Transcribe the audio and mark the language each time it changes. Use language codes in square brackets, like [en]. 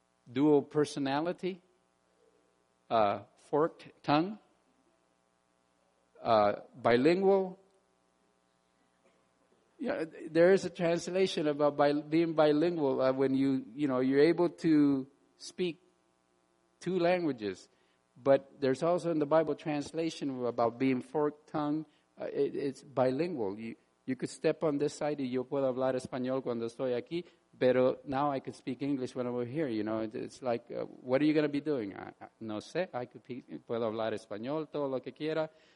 [en] Dual personality, forked tongue, bilingual. Yeah, there is a translation about being bilingual when you're able to speak two languages. But there's also in the Bible translation about being forked tongue. It's bilingual. You could step on this side and [es] yo puedo hablar español cuando estoy aquí. [en] But now I could speak English when I'm over here. You know, it's like, what are you going to be doing? [es] No sé. [en] I could [es] puedo hablar español todo lo que quiera.